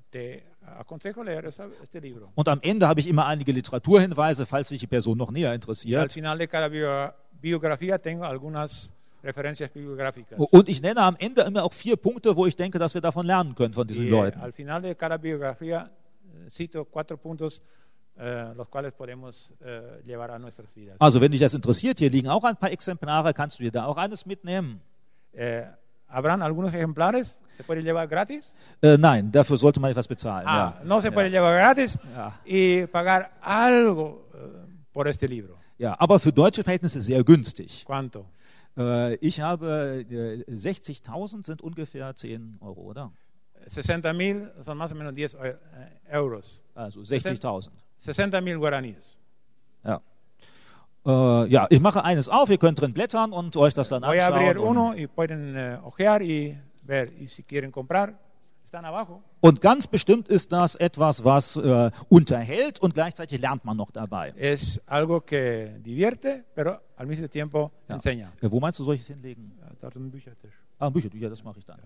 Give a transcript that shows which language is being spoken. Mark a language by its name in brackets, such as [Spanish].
[Spanish] Te aconsejo leer este libro. [German] Und am Ende habe ich immer einige Literaturhinweise, falls sich die Person noch näher interessiert. [Spanish] Al final de cada biografía tengo algunas referencias bibliográficas. [German] Und ich nenne am Ende immer auch vier Punkte, wo ich denke, dass wir davon lernen können von diesen Leuten. [Spanish] Al final de cada biografía cito cuatro puntos los cuales podemos llevar a nuestras vidas. [German] Also, wenn dich das interessiert, hier liegen auch ein paar Exemplare, kannst du dir da auch eines mitnehmen? [Spanish] Habrán algunos ejemplares? ¿Se puede llevar gratis? [German] Nein, dafür sollte man etwas bezahlen. [Spanish] No se puede llevar gratis y pagar algo por este libro. [German] Ja, aber für deutsche Verhältnisse sehr günstig. [Spanish] ¿Cuánto? [German] Ich habe 60.000 sind ungefähr 10 Euro, oder? [Spanish] 60.000 son más o menos 10 euros. [German] Also 60.000. [Spanish] 60.000 guaraníes. [German] Ja. Ja, ich mache eines auf, ihr könnt drin blättern und euch das dann anschauen. [Spanish] Voy a abrir uno y pueden ojear y ver y si quieren comprar. Están abajo. [German] Und ganz bestimmt ist das etwas, was unterhält und gleichzeitig lernt man noch dabei. [Spanish] Es algo que divierte, pero al mismo tiempo enseña. [German] Ja. Wo meinst du, soll ich es hinlegen? Da ist ein Büchertisch. Ah, Büchertücher, das mache ich dann. Ja.